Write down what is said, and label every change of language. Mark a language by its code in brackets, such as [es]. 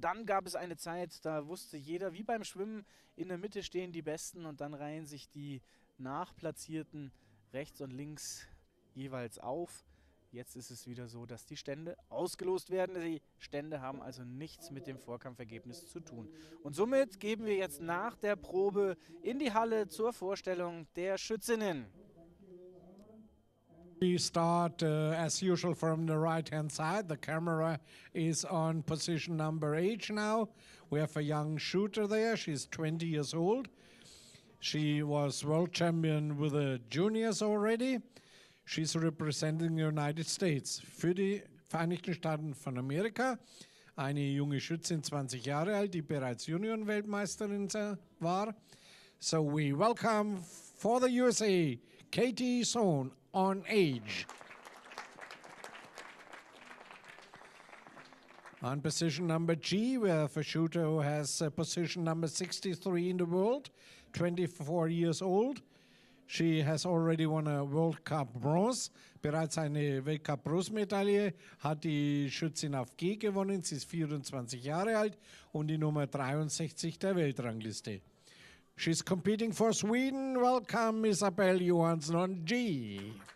[de] Dann gab es eine Zeit, da wusste jeder, wie beim Schwimmen, in der Mitte stehen die Besten und dann reihen sich die Nachplatzierten rechts und links jeweils auf. Jetzt ist es wieder so, dass die Stände ausgelost werden. Die Stände haben also nichts mit dem Vorkampfergebnis zu tun. Und somit geben wir jetzt nach der Probe in die Halle zur Vorstellung der Schützinnen. [en] We start as usual from the right hand side. The camera is on position number 8 now. We have a young shooter there. She's 20 years old. She was world champion with the juniors already. She's representing the United States. [de] Für die Vereinigten Staaten von Amerika, eine junge Schützin, 20 Jahre alt, die bereits Junioren-Weltmeisterin war. [en] So we welcome for the USA, Katie Sohn on age. On position number G, we have a shooter who has position number 63 in the world, 24 years old. She has already won a World Cup Bronze, [de] bereits eine Weltcup-Bronzemedaille, hat die Schützin auf G gewonnen, sie ist 24 Jahre alt und die Nummer 63 der Weltrangliste. [en] She's competing for Sweden. Welcome, Isabel Johansson on G.